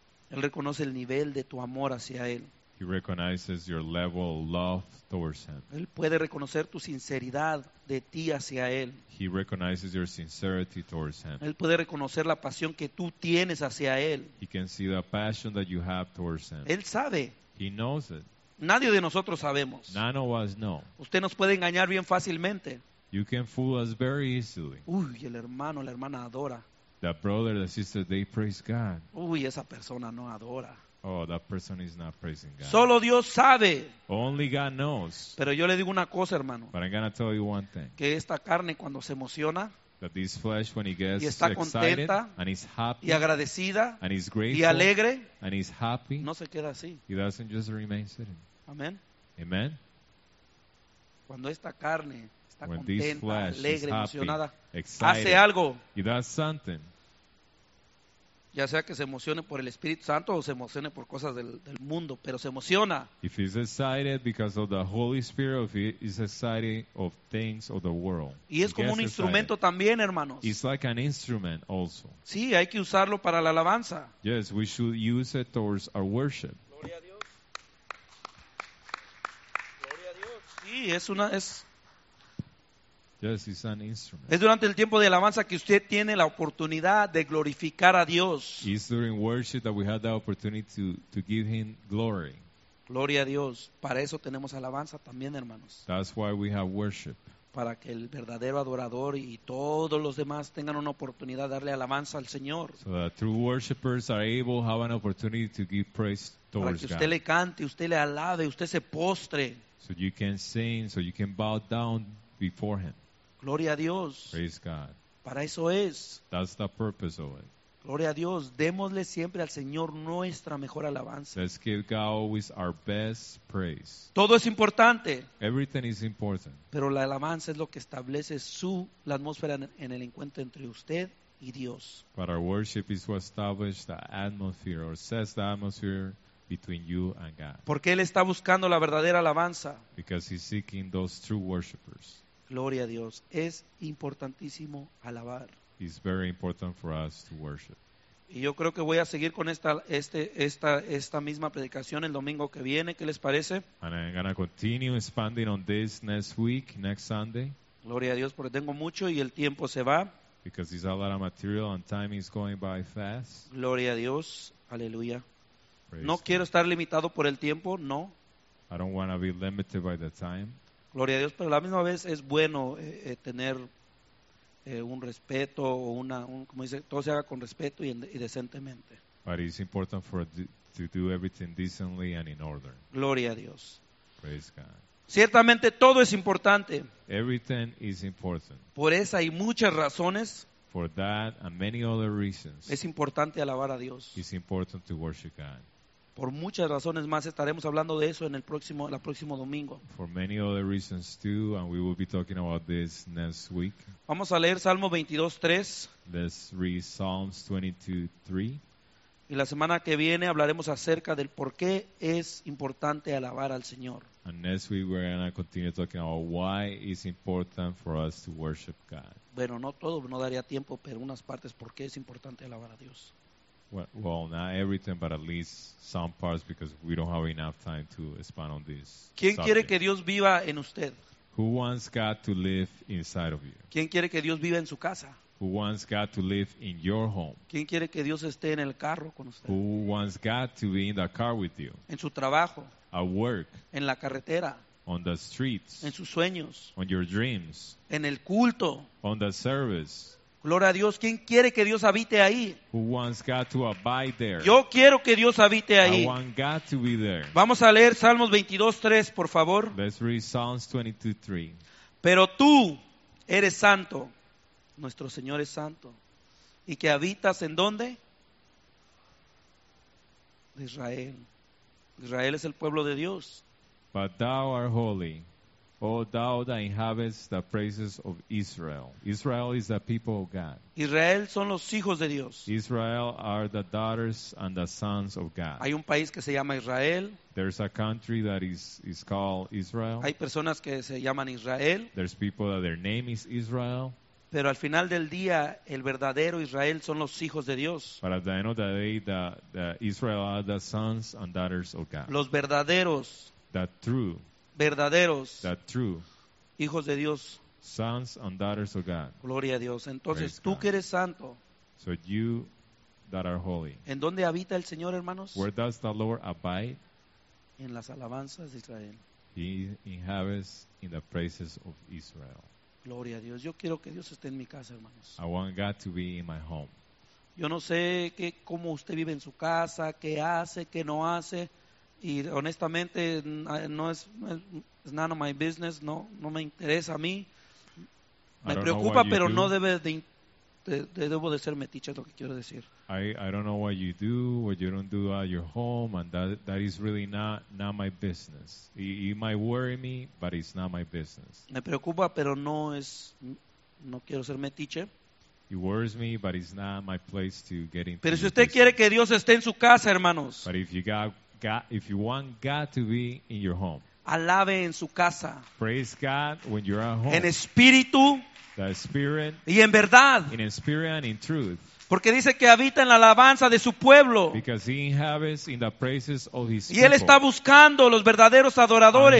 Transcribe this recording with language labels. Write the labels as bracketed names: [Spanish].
[Spanish] Él reconoce el nivel de tu amor hacia él. [English] He recognizes your level of love towards him. [Spanish] Él puede reconocer tu sinceridad de ti hacia él. [English] He recognizes your sincerity towards him. [Spanish] Él puede reconocer la pasión que tú tienes hacia él. [English] He can see the passion that you have towards him. [Spanish] Él sabe. [English] He knows it. [Spanish] Nadie de nosotros sabemos. [English] None of us know. [Spanish] Usted nos puede engañar bien fácilmente. [English] You can fool us very easily. [Spanish] Uy, el hermano, la hermana adora. [English] The brother, the sister, they praise God. [Spanish] Uy, esa persona no adora. [English] Oh, that person is not praising God. [Spanish] Solo Dios sabe. [English] Only God knows. [Spanish] Pero yo le digo una cosa, hermano. [English] But I'm going to tell you one thing. [Spanish] Que esta carne cuando se emociona, [English] that this flesh when it gets [Spanish] y está contenta, [English] excited and is happy [Spanish] y agradecida [English] and is grateful [Spanish] y alegre, [English] and is happy, [Spanish] no se queda así. [English] He doesn't just remain sitting. [Spanish] Amen. [English] Amen. [Spanish] Cuando esta carne está [English] when [Spanish] contenta, [English] this flesh [Spanish] alegre, [English] is happy, [Spanish] emocionada, [English] excited, [Spanish] hace algo. [English] He does something. [Spanish] Ya sea que se emocione por el Espíritu Santo o se emocione por cosas del mundo, pero se emociona. [English] If he's excited because of the Holy Spirit, if he's excited of things of the world. [Spanish] Y es como un instrumento también, hermanos. [English] It's like an instrument also. [Spanish] Sí, hay que usarlo para la alabanza. [English] Yes, we should use it towards our worship. [Spanish] Gloria a Dios. Gloria a Dios. Sí, es una... [English] Yes, it's an instrument. [Spanish] Es durante el tiempo de alabanza que usted tiene la oportunidad de glorificar a Dios. [English] It's during worship that we have the opportunity to give him glory. [Spanish] Gloria a Dios. Para eso tenemos alabanza también, hermanos. [English] That's why we have worship. [Spanish] Para que el verdadero adorador y todos los demás tengan una oportunidad de darle alabanza al Señor. [English] So that true worshipers are able have an opportunity to give praise towards God. [Spanish] Para que usted le cante, usted le alabe, usted se postre. [English] So you can sing, so you can bow down before him. [Spanish] Gloria a Dios. [English] Praise God. [Spanish] Para eso es. [English] That's the purpose of it. [Spanish] Gloria a Dios. Démosle siempre al Señor nuestra mejor alabanza. [English] Let's give God always our best praise. [Spanish] Todo es importante. [English] Everything is important. [Spanish] Pero la alabanza es lo que establece la atmósfera en el encuentro entre usted y Dios. [English] But our worship is what establishes the atmosphere or sets the atmosphere between you and God. [Spanish] Porque él está buscando la verdadera alabanza. [English] Because he's seeking those true worshipers. [Spanish] Gloria a Dios. Es importantísimo alabar. [English] It's very important for us to worship. [Spanish] Y yo creo que voy a seguir con esta misma predicación el domingo que viene. ¿Qué les parece? [English] And I'm going to continue expanding on this next week, next Sunday. [Spanish] Gloria a Dios, porque tengo mucho y el tiempo se va. [English] Because there's a lot of material and time is going by fast. [Spanish] Gloria a Dios. Aleluya. No quiero estar limitado por el tiempo, no. [English] I don't want to be limited by the time. [Spanish] Gloria a Dios, pero a la misma vez es bueno tener un respeto o como dice, todo se haga con respeto y decentemente. [English] But it's important to do everything decently and in order. [Spanish] Gloria a Dios. [English] Praise God. [Spanish] Ciertamente todo es importante. [English] Everything is important. [Spanish] Por esa y muchas razones. [English] For that and many other reasons, [Spanish] es importante alabar a Dios. [English] It's important to worship God. [Spanish] Por muchas razones más estaremos hablando de eso en el próximo domingo. [English] For many other reasons too, and we will be talking about this next week. [Spanish] Vamos a leer Salmo 22:3. [English] Let's read Psalms 22:3. [Spanish] Y la semana que viene hablaremos acerca del por qué es importante alabar al Señor. [English] And next week we're going to continue talking about why it's important for us to worship God. [Spanish] Bueno, no todo, no daría tiempo, pero unas partes por qué es importante alabar a Dios. [English] Well, not everything, but at least some parts because we don't have enough time to expand on this. [Spanish] ¿Quién [English] subject. [Spanish] Quiere que Dios viva en usted? [English] Who wants God to live inside of you? [Spanish] ¿Quién quiere que Dios viva en su casa? [English] Who wants God to live in your home? [Spanish] ¿Quién quiere que Dios esté en el carro con usted? [English] Who wants God to be in the car with you? [Spanish] En su trabajo. [English] At work. [Spanish] En la carretera. [English] On the streets. [Spanish] En sus sueños. [English] On your dreams. [Spanish] En el culto. [English] On the service. [Spanish] Gloria a Dios. ¿Quién quiere que Dios habite ahí? [English] Who wants God to abide there? [Spanish] Yo quiero que Dios habite ahí. [English] I want God to be there. [Spanish] Vamos a leer Salmos 22:3, por favor. [English] Let's read Psalms 22:3. [Spanish] Pero tú eres santo, nuestro Señor es santo, y que habitas en ¿dónde? Israel. Israel es el pueblo de Dios. [English] But thou art holy, O thou that inhabits the praises of Israel. Israel is the people of God. [Spanish] Israel son los hijos de Dios. [English] Israel are the daughters and the sons of God. [Spanish] Hay un país que se llama Israel. [English] There's a country that is called Israel. [Spanish] Hay personas que se llaman Israel. [English] There's people that their name is Israel. [Spanish] Pero al final del día, el verdadero Israel son los hijos de Dios. [English] But at the end of the day, the Israel are the sons and daughters of God. [Spanish] Los verdaderos. [English] The true. [Spanish] Verdaderos [English] that true, [Spanish] hijos de Dios, [English] sons and daughters of God. [Spanish] Gloria a Dios. Entonces, [English] praise [Spanish] tú God. Que eres santo, [English] so you that are holy. [Spanish] ¿En dónde habita el Señor, hermanos? [English] Where does the Lord abide? [Spanish] En las alabanzas de Israel. [English] He inhabits in the praises of Israel. [Spanish] Gloria a Dios. Yo quiero que Dios esté en mi casa, hermanos. [English] I want God to be in my home. [Spanish] Yo no sé qué, cómo usted vive en su casa, qué hace, qué no hace. Y honestamente, no es [English] it's none of my business, [Spanish] no me interesa a mí. Me preocupa, pero no debe debo de ser metiche, es lo que quiero decir. [English] I don't know what you do, what you don't do at your home, and that is really not my business. It might worry me, but it's not my business. [Spanish] Me preocupa, pero no quiero ser metiche. [English] It worries me, but it's not my place to get into. [Spanish] Pero si usted quiere que Dios esté en su casa, hermanos. [English] But if you got God, if you want God to be in your home, [Spanish] alabe en su casa. [English] Praise God when you're at home. [Spanish] En espíritu, [English] the spirit, [Spanish] y en verdad. [English] In spirit and in truth. [Spanish] Porque dice que habita en la alabanza de su pueblo. [English] Because he inhabits in the praises of his people. [Spanish] Y él está buscando los verdaderos adoradores.